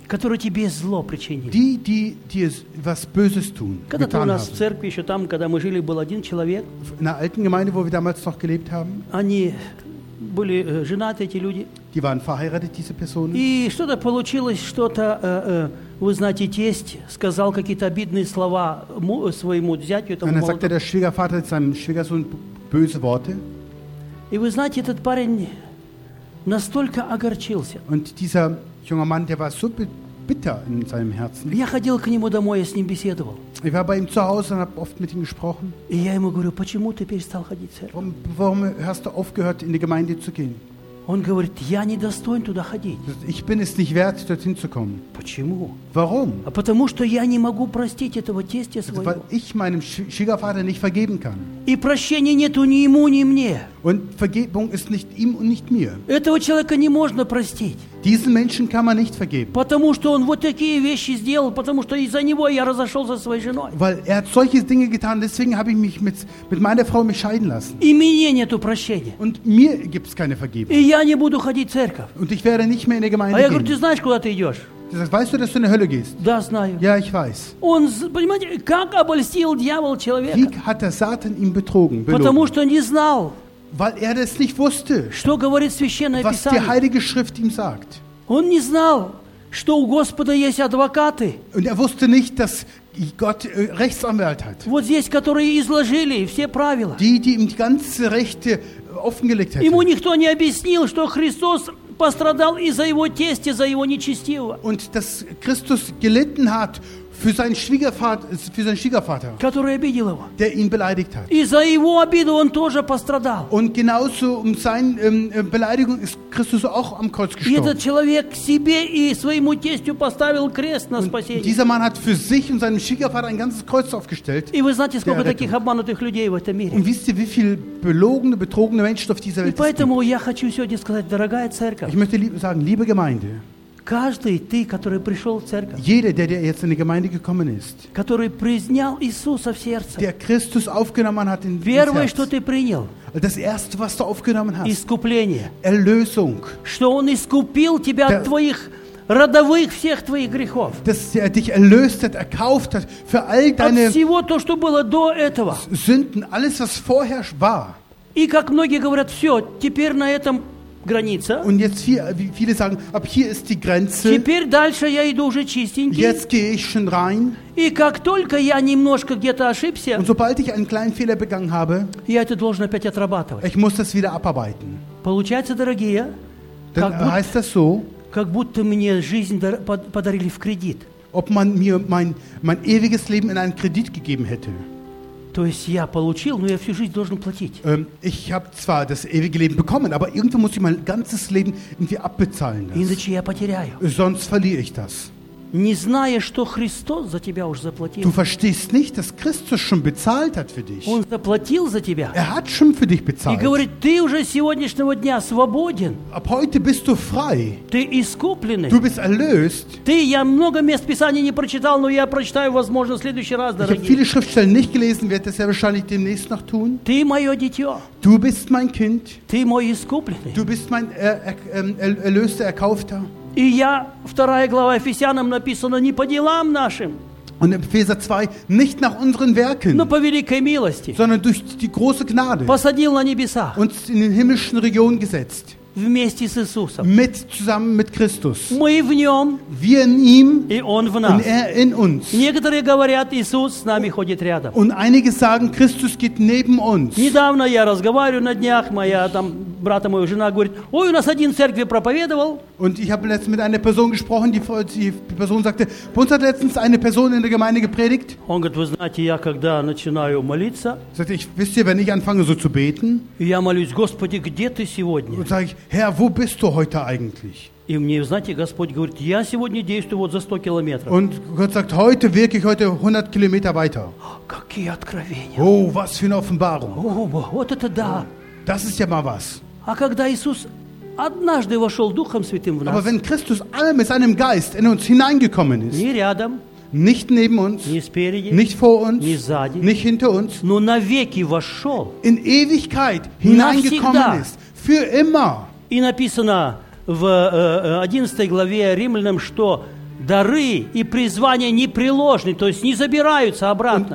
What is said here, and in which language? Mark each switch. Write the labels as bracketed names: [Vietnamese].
[Russian] которые тебе зло причинили, [German] die dir was Böses tun, [Russian] когда-то у нас в церкви еще там, когда мы жили, был один человек, [German] in der alten Gemeinde, wo wir damals noch gelebt haben, [Russian] они были женаты эти люди, [German] die waren verheiratet, diese Personen, [Russian] и что-то получилось, что-то вы знаете, тесть сказал какие-то обидные слова своему зятю. [German] Und dann sagte der Schwiegervater seinem Schwiegersohn böse Worte. [Russian] И вы знаете, этот парень настолько огорчился. [German] Und dieser junge Mann, der war so bitter in seinem Herzen. [Russian] Я ходил к нему домой, я с ним беседовал. [German] Ich war bei ihm zu Hause und habe oft mit ihm gesprochen. [Russian] И я ему говорю, почему ты перестал ходить в церковь? [German] Warum hast du aufgehört, in die Gemeinde zu gehen? [Russian] Он говорит, я не достоин туда ходить. [German] Ich bin es nicht wert, dorthin zu kommen. [Russian] Почему? [German] Warum? [Russian] А потому что я не могу простить этого тестя своего. [German] Weil ich meinem Schwiegervater nicht vergeben kann. [Russian] И прощения нету ни ему, ни мне. [German] Und Vergebung ist nicht ihm und nicht mir. [Russian] Этого человека не можно простить. [German] Diesen Menschen kann man nicht vergeben. [Russian] Потому что он вот такие вещи сделал, потому что из-за него я разошелся со своей женой. [German] Weil er hat solche Dinge getan, deswegen habe ich mich mit meiner Frau mich scheiden lassen. [Russian] И мне нету прощения. [German] Und mir gibt's keine Vergebung. [Russian] И я не буду ходить в церковь. [German] Und ich werde nicht mehr in der Gemeinde gehen. [Russian] А я говорю, ты знаешь, куда ты идешь? [German] Du sagst, weißt du, dass du in die Hölle gehst? [Russian] Да, знаю. [German] Ja, ich weiß. [Russian] Он, понимаете, как обольстил дьявол человека? [German] Wie hat der Satan ihn betrogen? Belogen? [Russian] Потому что не знал. [German] Weil er das nicht wusste, [Russian] что говорит Священное [German] was [Russian] Писание. [German] Die Heilige Schrift ihm sagt. [Russian] Он не знал, что у Господа есть адвокаты. [German] Und er wusste nicht, dass Gott Rechtsanwalt hat. [Russian] Вот здесь, которые изложили все правила. [German] Die ihm die ganze Rechte offengelegt hätte. [Russian] Ему никто не объяснил, что Христос пострадал из-за его тести, за его нечестивого. [German] Und dass Christus gelitten hat für seinen Schwiegervater, [Russian] который обидел его, [German] der ihn beleidigt hat. [Russian] И за его обиду он тоже пострадал. [German] Und genauso seine Beleidigung ist Christus auch am Kreuz gestorben. [Russian] И этот человек себе и своему тестю поставил крест на спасение. [German] Und dieser Mann hat für sich und seinem Schwiegervater ein ganzes Kreuz aufgestellt. [Russian] И вы знаете, сколько таких обманутых людей в этом мире? [German] Und wisst ihr, wie viel belogene, betrogene Menschen auf dieser Welt sind? [Russian] И поэтому я хочу сегодня сказать, дорогая церковь. [German] Ich möchte sagen, liebe Gemeinde. [Russian] каждый ты, который пришел в церковь, [German] jeder, der jetzt in die Gemeinde gekommen ist, [Russian] который принял Иисуса в сердце, [German] der Christus aufgenommen hat in, [Russian] первое, [German] ins Herz, [Russian] что ты принял, [German] das Erste, was du aufgenommen hast, [Russian] искупление, [German] Erlösung, [Russian] что Он искупил тебя от твоих родовых всех твоих грехов, [German] dass er dich erlöst hat, erkauft hat, für all deine [Russian] всего, то, что было до этого, [German] Sünden, alles, was vorher war. [Russian] И как многие говорят, все, теперь на этом граница. [German] Und jetzt hier, wie viele sagen, ab hier ist die Grenze. [Russian] Теперь дальше я иду уже чистенький. [German] Jetzt gehe ich schon rein. [Russian] И как только я немножко где-то ошибся, [German] und sobald ich einen kleinen Fehler begangen habe, [Russian] я это должен опять отрабатывать. [German] Ich muss das wieder abarbeiten. [Russian] Получается, дорогие, [German] dann [Russian] как [German] heißt [Russian] будто, [German] das so, [Russian] как будто мне жизнь подарили в кредит. [German] Ob man mir mein ewiges Leben in einen Kredit gegeben hätte. [Russian] То есть я получил, но я всю жизнь должен платить. [German] Ich habe zwar das ewige Leben bekommen, aber irgendwo muss ich mein ganzes Leben irgendwie abbezahlen. [Russian] Иначе я потеряю. [German] Sonst verliere ich das. [Russian] Не зная, что Христос за тебя уже заплатил. [German] Du verstehst nicht, dass Christus schon bezahlt hat für dich. [Russian] Он заплатил за тебя. [German] Er hat schon für dich bezahlt. [Russian] И говорит, ты уже с сегодняшнего дня свободен. [German] Ab heute bist du frei. [Russian] Ты искупленный. [German] Du bist erlöst. [Russian] Ты, я много мест Писания не прочитал, но я прочитаю, возможно, в следующий раз, дорогие. [German] Ich habe viele Schriftstellen nicht gelesen, werde das ja wahrscheinlich demnächst noch tun. [Russian] Ты мое дитё. [German] Du bist mein Kind. [Russian] Ты мой искупленный. [German] Du bist mein erlöster, erkaufter. [Russian] И я, вторая глава Ефесянам написано, не по делам нашим. [German] Und in Epheser 2, nicht nach unseren Werken, [Russian] но по великой милости, [German] sondern durch die große Gnade, [Russian] посадил на небеса, [German] uns in den himmlischen Regionen gesetzt, [Russian] вместе с Иисусом, [German] mit, zusammen mit Christus, [Russian] мы в нем, [German] wir in ihm, [Russian] и он в нас, [German] und er in uns. [Russian] Некоторые говорят, Иисус с нами ходит рядом, [German] und einige sagen, Christus geht neben uns. [Russian] Недавно я разговариваю на днях, моя там брата, моя жена говорит, ой, у нас один в церкви проповедовал. [German] Und ich habe letztens mit einer Person gesprochen, die Person sagte, bei uns hat letztens eine Person in der Gemeinde gepredigt. [Russian] Он говорит, вы знаете, я когда начинаю молиться, [German] sagte ich, wisst ihr, wenn ich anfange so zu beten, [Russian] я молюсь, Господи, где ты сегодня? [German] Und sage ich, Herr, wo bist du heute eigentlich? [Russian] И мне, знаете, Господь говорит, я сегодня действую вот за 100 километров. [German] Und Gott sagt, heute wirke ich heute 100 Kilometer weiter. [Russian] Какие откровения! [German] Oh, was für eine Offenbarung! [Russian] Oh, вот это да! [German] Das ist ja mal was. [Russian] А когда Иисус однажды вошел Духом Святым в нас, [German] aber wenn Christus allem mit seinem Geist in uns hineingekommen ist, [Russian] не рядом, [German] nicht neben uns, [Russian] не спереди, [German] nicht vor uns, [Russian] не сзади, [German] nicht hinter uns, [Russian] но навеки вошел, [German] in Ewigkeit hineingekommen [Russian] навсегда, [German] ist, für immer. [Russian] И написано в 11 главе Римлянам, что дары и призвания непреложны, то есть не забираются обратно.